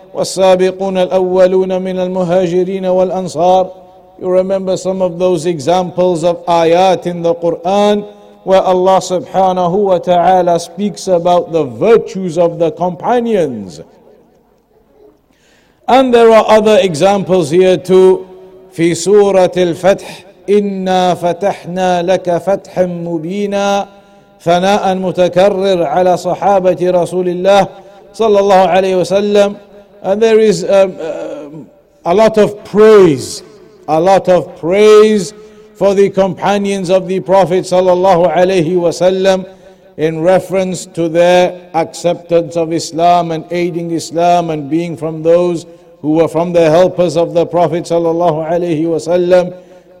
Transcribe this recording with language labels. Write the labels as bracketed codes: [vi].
[ar] وَالسَّابِقُونَ الْأَوَّلُونَ مِنَ الْمُهَاجِرِينَ وَالْأَنصَارِ. [en] You remember some of those examples of ayat in the Quran where Allah subhanahu wa ta'ala speaks about the virtues of the companions. And there are other examples here too. [ar] في سورة الفتح إِنَّا فَتَحْنَا لَكَ فَتْحًا مُبِينًا ثناء متكرر على صحابة رسول الله صلى الله عليه وسلم. [en] And there is a lot of praise for the companions of the Prophet sallallahu alayhi wasallam in reference to their acceptance of Islam and aiding Islam and being from those who were from the helpers of the Prophet sallallahu alayhi wasallam.